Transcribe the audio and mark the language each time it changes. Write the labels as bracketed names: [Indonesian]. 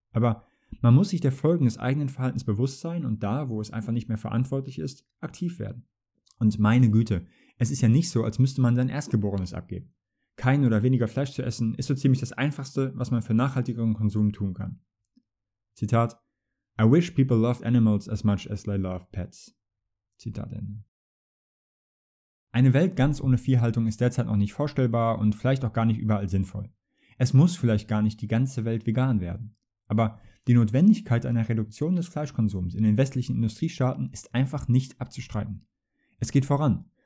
[German] Aber man muss sich der Folgen des eigenen Verhaltens bewusst sein und da, wo es einfach nicht mehr verantwortlich ist, aktiv werden. Und meine Güte, es ist ja nicht so, als müsste man sein Erstgeborenes abgeben. Kein oder weniger Fleisch zu essen, ist so ziemlich das Einfachste, was man für nachhaltigeren Konsum tun kann. [English] Zitat: "I wish people loved animals as much as they love pets." [German] Zitat Ende. Eine Welt ganz ohne Viehhaltung ist derzeit noch nicht vorstellbar und vielleicht auch gar nicht überall sinnvoll. Es muss vielleicht gar nicht die ganze Welt vegan werden. Aber die Notwendigkeit einer Reduktion des Fleischkonsums in den westlichen Industriestaaten ist einfach nicht abzustreiten. Es geht voran.